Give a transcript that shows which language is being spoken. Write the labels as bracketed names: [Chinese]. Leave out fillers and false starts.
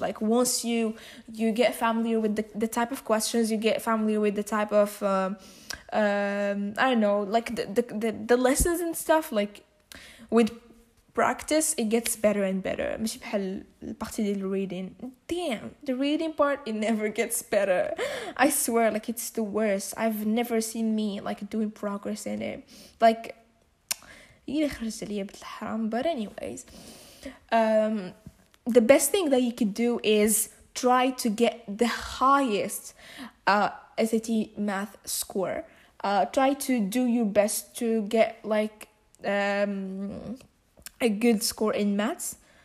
[English] Like, once you get familiar with the type of questions, you get familiar with the type of I don't know, like, the lessons and stuff, like, with practice, it gets better and better. [Arabic] مش بحال البارتي ديال reading. [English] Damn, the reading part, it never gets better. I swear, like, it's the worst. I've never seen me, like, doing progress in it. [Arabic] Like, يلي خرجت عليا بالحرام. [English] But anyways, the best thing that you could do is try to get the highest SAT math score. Try to do your best to get, like, a good score in maths.